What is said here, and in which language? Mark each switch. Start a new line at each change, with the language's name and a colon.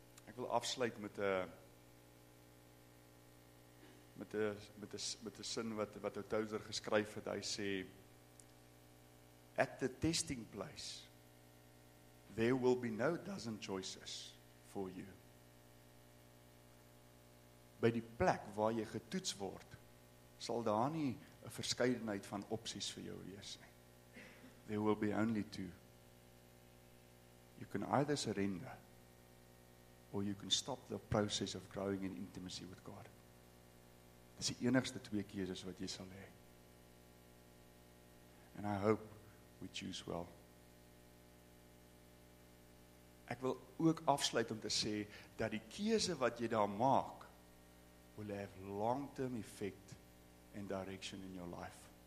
Afrikaans: Ek wil afsluit met 'n sin wat Tozer geskryf het, hy sê,
English: at the testing place, there will be no dozen choices for you.
Afrikaans: By die plek waar jy getoets word, sal daar nie 'n verskeidenheid van opsies vir jou wees nie.
English: There will be only two. You can either surrender, or you can stop the process of growing in intimacy with God.
Afrikaans: Dis die enigste twee keuses wat jy sal hê.
English: And I hope we choose well.
Afrikaans: Ek wil ook afsluit om te sê, dat die keuse wat jy daar maak,
English: will have long-term effect and direction in your life.